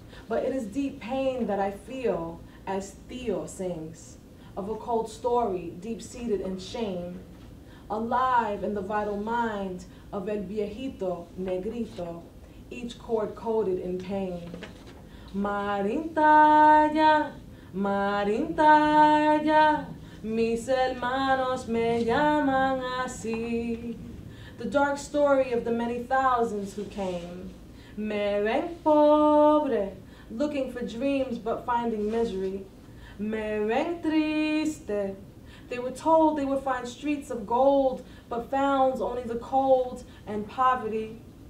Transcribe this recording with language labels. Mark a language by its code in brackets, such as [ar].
[en] But it is deep pain that I feel as Theo sings of a cold story deep-seated in shame, alive in the vital mind of El Viejito Negrito, each chord coded in pain. [es] Marintaya, Marintaya, mis hermanos me llaman así. [en] The dark story of the many thousands who came. [es] Me ven pobre, [en] looking for dreams but finding misery. [es] Me ven triste, [en] they were told they would find streets of gold but found only the cold and poverty.